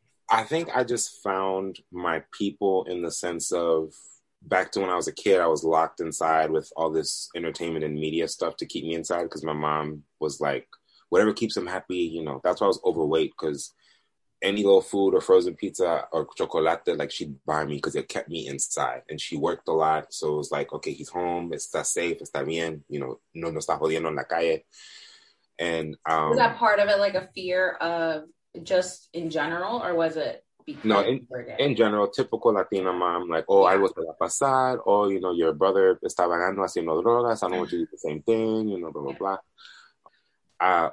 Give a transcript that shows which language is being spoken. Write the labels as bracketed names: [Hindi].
[English] I think I just found my people in the sense of back to when I was a kid, I was locked inside with all this entertainment and media stuff to keep me inside because my mom was like, whatever keeps them happy, you know. That's why I was overweight, because any little food or frozen pizza or chocolate, like, she'd buy me because it kept me inside. And she worked a lot. So it was like, okay, he's home. [Spanish] Está safe. Está bien. [English] You know, [Spanish] no está jodiendo en la calle. [English] And was that part of it, like, a fear of just in general, or was it? No, in general, typical Latina mom, like, oh, [Spanish] algo se va a pasar. [English] Oh, you know, your brother [Spanish] está vagando haciendo drogas. [English] I don't want you to do the same thing, you know, blah, blah, blah.